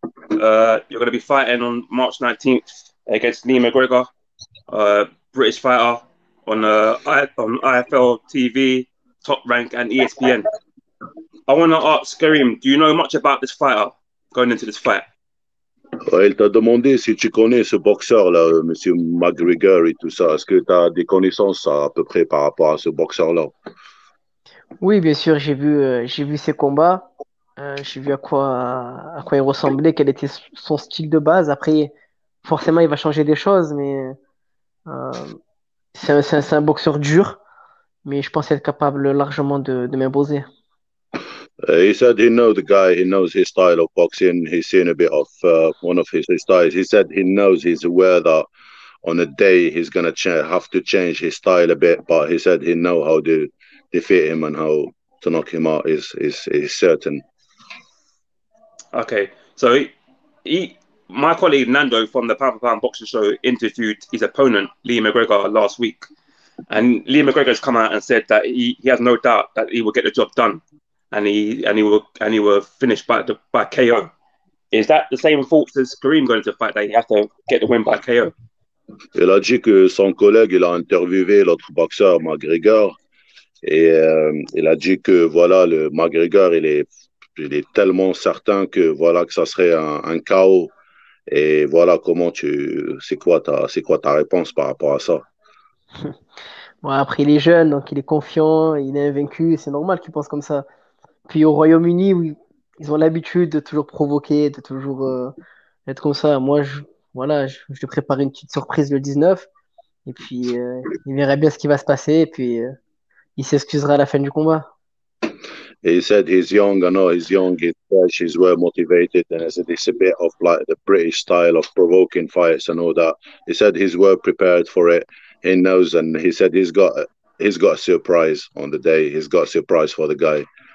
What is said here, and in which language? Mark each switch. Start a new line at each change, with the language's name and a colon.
English: You're going to be fighting on March 19th against Mcgregor, British fighter on IFL TV. Top Rank and ESPN. I want to ask Karim, do you know much about this fighter going into this fight?
French: Ouais, il t'a demandé si tu connais ce boxeur là, Monsieur Mcgregor et tout ça. Est-ce que tu as des connaissances à peu près par rapport à ce boxeur là? Oui, bien sûr. J'ai vu ses combats. J'ai vu à quoi il ressemblait, quel était son style de base. Après, forcément, il va changer des choses, mais c'est un boxeur dur. Mais je pense être capable largement de m'imposer.
English: He said he knows the guy, he knows his style of boxing, he's seen a bit of one of his styles. He said he knows he's aware that on a day he's going to have to change his style a bit, but he said he knows how to defeat him and how to knock him out is certain. Okay, so my colleague Nando from the Pound for Pound Boxing Show interviewed his opponent, Lee Mcgregor, last week. And Lee Mcgregor has come out and said that he has no doubt that he will get the job done, and he will finish by KO. Is that the same thoughts as Karim going to the fight that he has to get the win by KO?
French: Il a dit que son collègue il a interviewé l'autre boxeur Mcgregor et il a dit que voilà le Mcgregor il est tellement certain que voilà que ça serait un KO Et voilà comment tu, c'est quoi ta réponse par rapport à ça? Bon, après, il est jeune, donc il est confiant, il est invaincu, c'est normal qu'il pense comme ça. Puis au Royaume-Uni, oui, ils ont l'habitude de toujours provoquer, de toujours être comme ça. Moi, voilà, je lui prépare une petite surprise le 19, et puis il verra bien ce qui va se passer, et puis il s'excusera à la fin du combat.
English: He said he's young, I know he's young, he's fresh, he's well motivated, and I said it's a bit of like the British style of provoking fights and all that. He said he's well prepared for it. He knows, and he said he's got a surprise on the day. He's got a surprise for the guy.